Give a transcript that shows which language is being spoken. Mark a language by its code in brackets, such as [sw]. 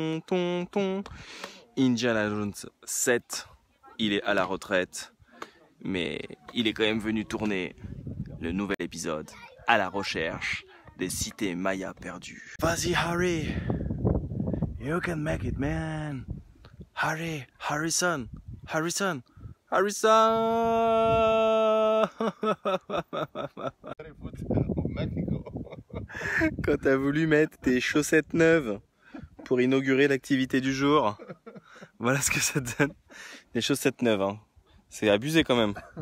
[fr] Indiana Jones 7, il est à la retraite, mais il est quand même venu tourner le nouvel épisode à la recherche des cités mayas perdues. Vas-y [en] Harry, you can make it man. Harry, Harrison. [fr] Quand t'as voulu mettre tes chaussettes neuves pour inaugurer l'activité du jour. Voilà ce que ça donne. Des chaussettes neuves. Hein. C'est abusé quand même.